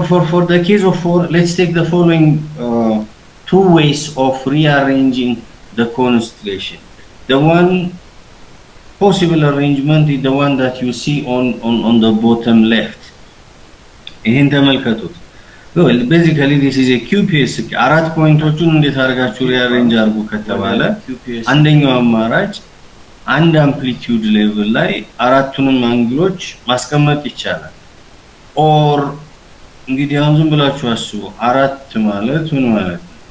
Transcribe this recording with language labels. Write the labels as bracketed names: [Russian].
[English] for the case of four, let's take the following two ways of rearranging the constellation. The one possible arrangement is the one that you see on the bottom left. [Amharic] ይሄን ተመልከቱት። [English] Well, basically this is a QPSK. [Amharic] አራት ፖይንቶቹን እንዴት አድርጋችሁ ሪአሬንጅ አድርጉ ከተባለ አንደኛው አማራጭ አንድ አምፕሊቲዩድ ሌቭል ላይ አራቱንም አንግሎች ማስቀመጥ ይቻላል። ኦር እንግዲህ አሁን ዝም ብላችሁ አስቡ። አራት ማለት ምን ማለት ነው?